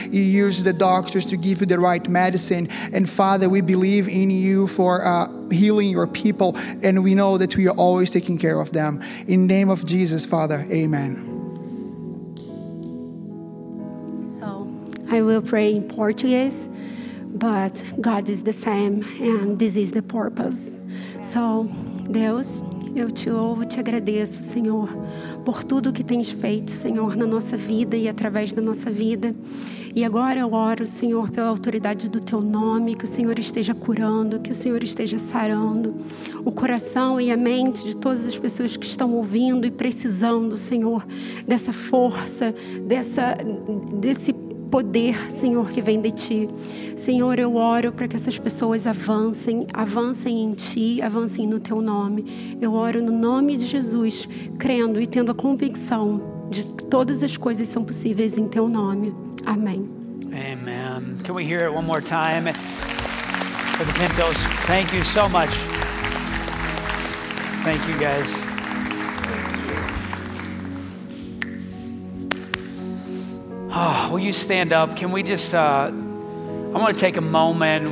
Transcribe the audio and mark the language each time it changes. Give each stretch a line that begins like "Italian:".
English: You use the doctors to give you the right medicine. And Father, we believe in you for healing your people. And we know that we are always taking care of them. In the name of Jesus, Father, amen. So I will pray in Portuguese, but God is the same and this is the purpose.
Portuguese: So Deus, eu te louvo, te agradeço, Senhor, por tudo que tens feito, Senhor, na nossa vida e através da nossa vida. E agora eu oro, Senhor, pela autoridade do Teu nome, que o Senhor esteja curando, que o Senhor esteja sarando o coração e a mente de todas as pessoas que estão ouvindo e precisando, Senhor, dessa força, desse poder, Senhor, que vem de Ti. Senhor, eu oro para que essas pessoas avancem em Ti, avancem no Teu nome. Eu oro no nome de Jesus, crendo e tendo a convicção de que todas as coisas são possíveis em Teu nome. Amém.
English: Amen. Can we hear it one more time for the Pintos? Thank you so much. Thank you, guys. Oh, will you stand up? Can we just, I want to take a moment.